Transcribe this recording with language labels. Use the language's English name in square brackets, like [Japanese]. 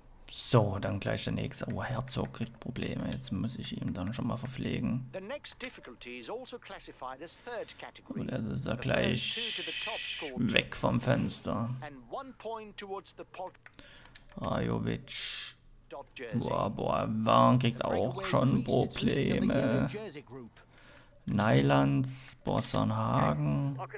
[German] So, dann gleich der nächste. Oh, Herzog kriegt Probleme. Jetzt muss ich ihn dann schon mal verpflegen. [English] The next difficulty is also classified as third category. [German] Und das ist ja gleich weg vom Fenster. [English] And one point towards the pot. [German] Rajovic. Boivin kriegt auch schon Probleme. Nylands, Bossenhagen.